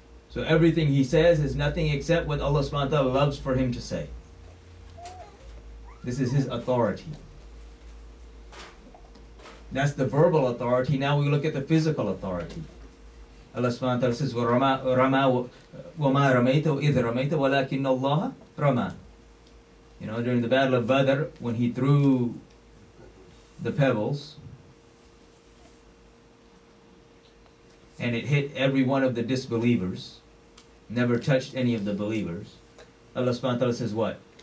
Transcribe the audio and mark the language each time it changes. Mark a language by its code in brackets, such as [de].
[en] So everything he says is nothing except what Allah subhanahu wa ta'ala loves for him to say. This is his authority. That's the verbal authority. Now we look at the physical authority. Allah subhanahu wa ta'ala says, [ar] وَمَا رَمَيْتَ وَإِذْ رَمَيْتَ وَلَكِنَّ اللَّهَ رَمَى. [en] You know, during the Battle of Badr, when he threw the pebbles, and it hit every one of the disbelievers, never touched any of the believers, Allah subhanahu wa ta'ala says what?